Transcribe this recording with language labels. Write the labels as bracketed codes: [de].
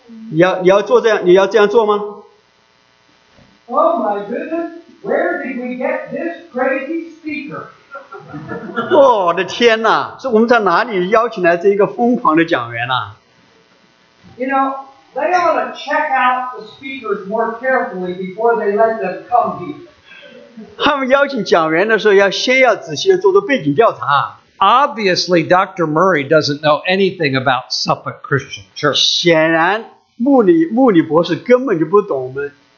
[zh] 你要做这样，你要这样做吗 [en] ？Oh my goodness. Where did we get this crazy speaker? [zh] 我的天哪，是我们在哪里邀请来这一个疯狂的讲员啊？ [en] You know, they ought to check out the speakers more carefully before they let them come here. [zh] 他们邀请讲员的时候要先要仔细的做做背景调查。 [en] Obviously, Dr. Murray doesn't know anything about Suffolk Christian Church. [zh] 显然穆里博士根本就不懂我们